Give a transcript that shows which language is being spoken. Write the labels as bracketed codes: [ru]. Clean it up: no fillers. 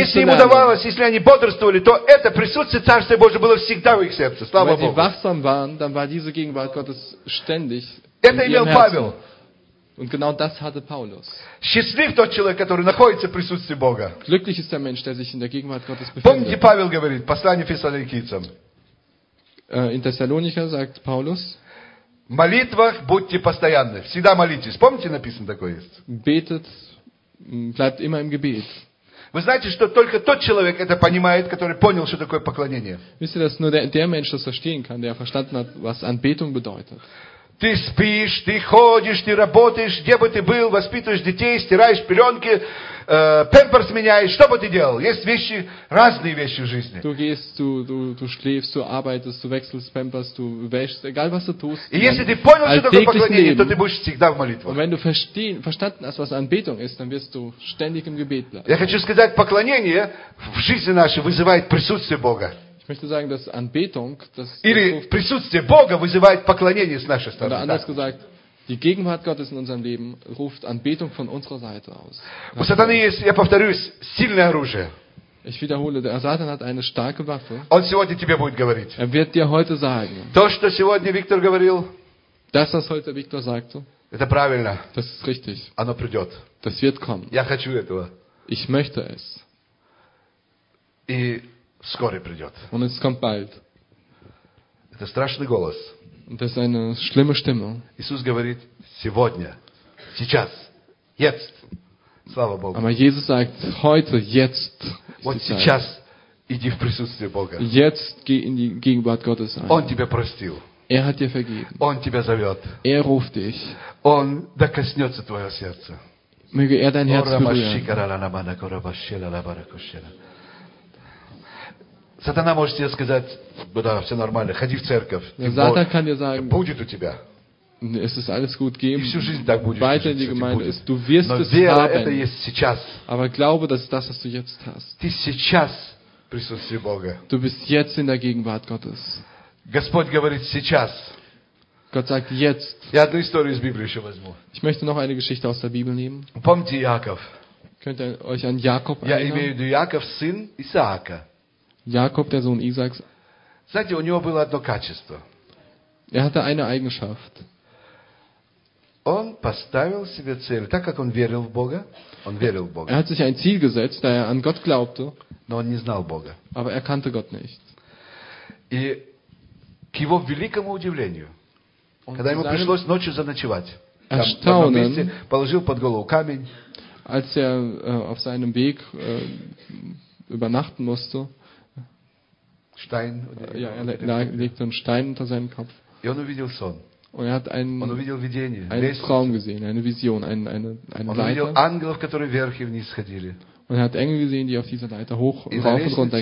[ru] Если им удавалось, если они бодрствовали, то это присутствие Царства Божьего было всегда в их сердце. Слава Богу. [de] Wenn sie wachsam waren, dann war diese Gegenwart Gottes ständig. [ru] Это имел Павел. [de] Und genau das hatte Paulus. [ru] Счастлив тот человек, который находится в присутствии Бога. [de] Glücklich ist der Mensch, der sich in der Gegenwart Gottes befindet. [ru] Помните, Павел говорит, послание Фессалоникийцам. [de] In Thessalonica sagt Paulus. [ru] В молитвах будьте постоянны. Всегда молитесь. Помните, написано такое есть? [de] Betet, bleibt immer im Gebet. [ru] Вы знаете, что только тот человек это понимает, который понял, что такое поклонение. [de] Wisst ihr, dass nur der Mensch das verstehen kann, der verstanden hat, was Anbetung bedeutet. [ru] Ты спишь, ты ходишь, ты работаешь, где бы ты был, воспитываешь детей, стираешь пеленки, памперс меняешь, что бы ты делал? Есть вещи, разные вещи в жизни. [de] Du gehst, du schläfst, du arbeitest, du wechselst Pampers, du wäschst, egal was du tust. [ru] И если ты понял, что такое поклонение, то ты будешь всегда в молитвах. [de] Wenn du verstanden hast, was Anbetung ist, dann wirst du ständig im Gebet bleiben. [ru] Я хочу сказать, поклонение в жизни нашей вызывает присутствие Бога. [de] Ich möchte sagen, dass Anbetung, dass [ru] Или [de] das [ru] присутствие Бога вызывает поклонение с нашей стороны. [de] Oder anders gesagt, die Gegenwart Gottes in unserem Leben ruft Anbetung von unserer Seite aus. [ru] У сатаны есть, я повторюсь, сильное оружие. [de] Ich wiederhole, der Satan hat eine starke Waffe. [ru] Он сегодня тебе будет говорить. [de] Er wird dir heute sagen. [ru] То, что сегодня Виктор говорил. [de] Das, was heute Виктор sagte. [ru] Это правильно. [de] Das ist richtig. [ru] Оно придет. [de] Das wird kommen. [ru] Я хочу этого. [de] Ich möchte es. [ru] И скоро придет. [de] Und es kommt bald. [ru] Это страшный голос. [de] Das ist eine schlimme Stimme. [ru] Иисус говорит сегодня, сейчас, [de] jetzt. [ru] Слава Богу. [de] Aber Jesus sagt heute, jetzt. [ru] Вот сейчас иди в присутствие Бога. [de] Jetzt geh in die Gegenwart Gottes ein. [ru] Он тебя простил. [de] Er hat dir vergeben. [ru] Он тебя зовет. [de] Er ruft dich. [ru] Он докоснется твоего сердца. [de] Möge er dein Herz berühren. [ru] Сатана может тебе сказать, да, все нормально, ходи в церковь, будет у тебя. [de] Es ist alles gut, geh [ru] и всю жизнь так будешь. [de] Weiter in die Gemeinde ist. Du wirst [ru] Но [de] es [ru] вера [de] haben. [ru] Это есть сейчас. [de] Aber glaube, das ist das, was du jetzt hast. [ru] Ты сейчас в присутствии Бога. [de] Du bist jetzt in der Gegenwart Gottes. [ru] Господь говорит сейчас. [de] Gott sagt jetzt. [ru] Я одну историю из Библии еще возьму. [de] Ich möchte noch eine Geschichte aus der Bibel nehmen. [ru] Помните Яков? [de] Könnt ihr euch an Jakob erinnern? [ru] Я имею в виду Яков, сын Исаака. [de] Jakob, der Sohn Isaaks. [ru] Знаете, у него было одно качество. [de] Er hatte eine Eigenschaft. [ru] Он поставил себе цель, так как он верил в Бога, он верил в Бога. [de] Er hat sich ein Ziel gesetzt, da er an Gott glaubte. [ru] Но он не знал Бога. [de] Aber er kannte Gott nicht. [ru] И к его великому удивлению, [de] und [ru] когда ему пришлось ночью заночевать, там, в одном месте, положил под голову камень. [de] Als er auf seinem Weg übernachten musste, Stein, ja, er legte einen Stein unter seinen Kopf. Und er hat einen Traum gesehen, eine Vision, eine Leiter. Und er hat Engel gesehen, die auf dieser Leiter hoch und rauf und runter